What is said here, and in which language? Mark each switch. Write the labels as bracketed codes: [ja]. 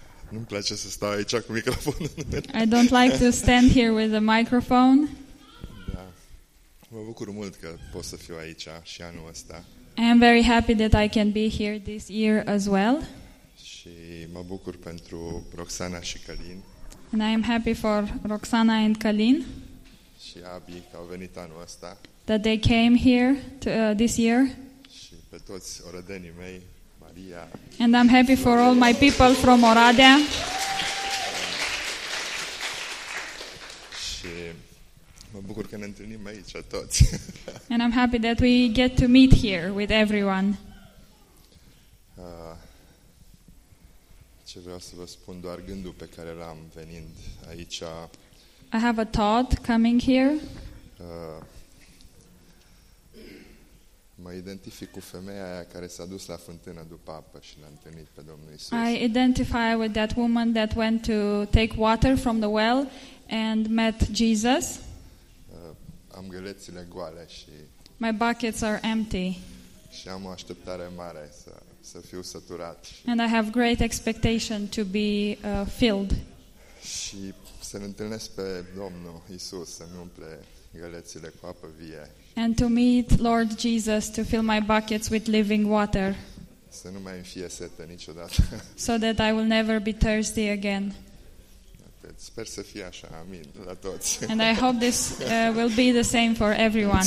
[ro] Nu-mi place să stau aici cu microfonul. [en] I don't like to stand here with a microphone. [ro] Da. Mă bucur mult că pot să fiu aici și anul ăsta. [en] I am very happy that I can be here this year as well. [ro] Și mă bucur pentru Roxana și Călin. [en] And I am happy for Roxana and Călin. [ro] Și Abby, că au venit anul ăsta. [en] That they came here to, this year. [ro] Și pe toți orădenii mei. [en] And I'm happy for all my people from Oradea. [ro] Și mă bucur că ne întâlnim aici toți. [en] And I'm happy that we get to meet here with everyone. [ro] Ce vreau să vă spun, doar gândul pe care l-am venind aici. [en] I have a thought coming here. [ro] Mă identific cu femeia aia care s-a dus la fântână după apă și l-a întâlnit pe Domnul Iisus. [en] I identify with that woman that went to take water from the well and met Jesus. [ro] Am gălețile goale și [en] my buckets are empty. [ro] Și am o așteptare mare să fiu săturat. [en] And I have great expectation to be filled. [ro] Și să-L întâlnesc pe Domnul Iisus să-mi umple gălețile cu apă vie. [en] And to meet Lord Jesus to fill my buckets with living water. [ro] Să nu mai fie sete niciodată. [en] So that I will never be thirsty again. [ro] Sper să fie așa. Amin la toți. [en] And I hope this will be the same for everyone.